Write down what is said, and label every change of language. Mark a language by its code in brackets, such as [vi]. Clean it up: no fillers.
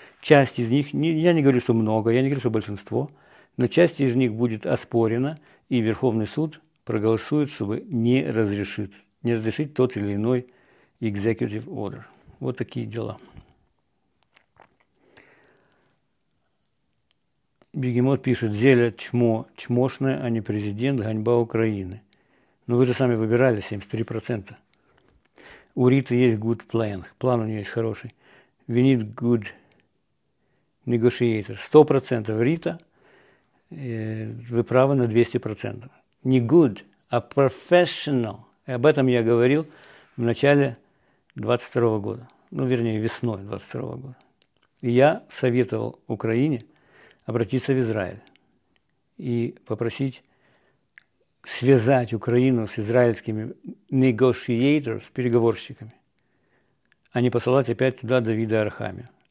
[ru] Часть из них, я не говорю, что много, я не говорю, что большинство, но часть из них будет оспорена, и Верховный суд проголосует, чтобы не разрешить тот или иной executive order. Вот такие дела. Бегемот пишет, Зеля чмо, чмошная, а не президент, ганьба Украины. Но вы же сами выбирали 73%. У Риты есть [en] good plan, [ru] план у нее есть хороший. [en] We need good negotiator. [ru] 100% Рита, вы правы на 200%. Не good, а professional. И об этом я говорил в начале 22 года. Ну, вернее, весной 22 года. И я советовал Украине обратиться в Израиль и попросить связать Украину с израильскими negotiators, с переговорщиками, а не посылать опять туда Давида Архами.